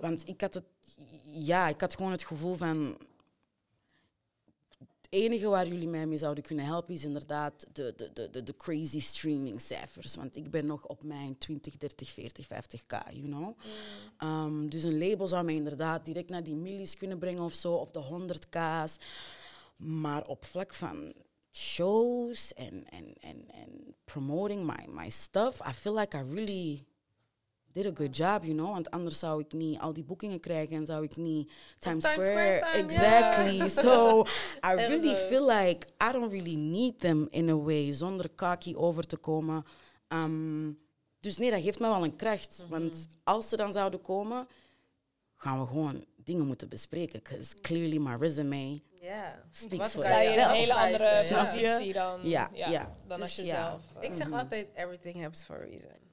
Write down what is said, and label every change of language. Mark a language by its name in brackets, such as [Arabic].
[Dutch] Want ik had gewoon het gevoel van... Het enige waar jullie mij mee zouden kunnen helpen is inderdaad de crazy streamingcijfers. Want ik ben nog op mijn 20, 30, 40, 50k, [English] you know. [Dutch] Mm. Dus een label zou mij inderdaad direct naar die millies kunnen brengen of zo, op de 100k's. Maar op vlak van shows en [English] promoting my stuff, I feel like I really did a good job, you know. [Dutch] Want anders zou ik niet al die boekingen krijgen en zou ik niet Times Square staan, [English] exactly. Yeah. So I really feel like I don't really need them in a way, [Dutch] zonder cocky over te komen. Dus nee, dat geeft me wel een kracht. Mm-hmm. Want als ze dan zouden komen, gaan we gewoon dingen moeten bespreken. [English] Because clearly my resume speaks for itself. [Dutch] sta je in een hele andere positie dan als jezelf. [English] Yeah. [Dutch] Ik zeg altijd, [English] everything happens for a reason.